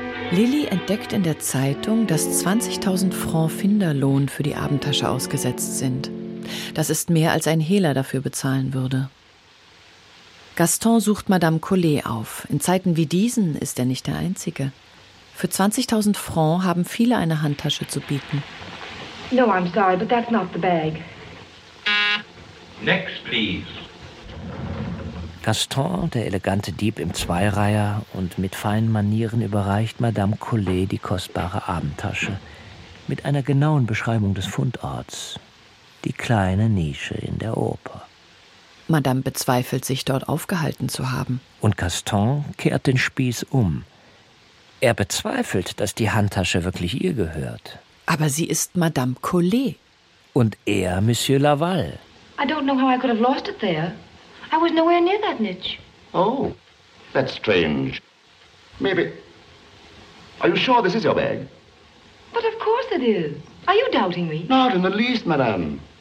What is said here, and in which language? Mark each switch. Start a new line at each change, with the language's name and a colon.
German: Lilly entdeckt in der Zeitung, dass 20.000 Franc Finderlohn für die Abendtasche ausgesetzt sind. Das ist mehr, als ein Hehler dafür bezahlen würde. Gaston sucht Madame Collet auf. In Zeiten wie diesen ist er nicht der Einzige. Für 20.000 Franc haben viele eine Handtasche zu bieten.
English: No, I'm sorry, but that's not the bag. Next, please.
German: Gaston, der elegante Dieb im Zweireiher und mit feinen Manieren, überreicht Madame Collet die kostbare Abendtasche mit einer genauen Beschreibung des Fundorts, die kleine Nische in der Oper. Madame bezweifelt, sich dort aufgehalten zu haben. Und Gaston kehrt den Spieß um. Er bezweifelt, dass die Handtasche wirklich ihr gehört. Aber sie ist Madame Collet. Und er Monsieur Laval.
English: I don't know how I could have lost it there. I was nowhere near that niche. Oh, that's strange. Maybe. Are you sure this is your bag? But of course it is. Are you doubting me? Not in the least, madame.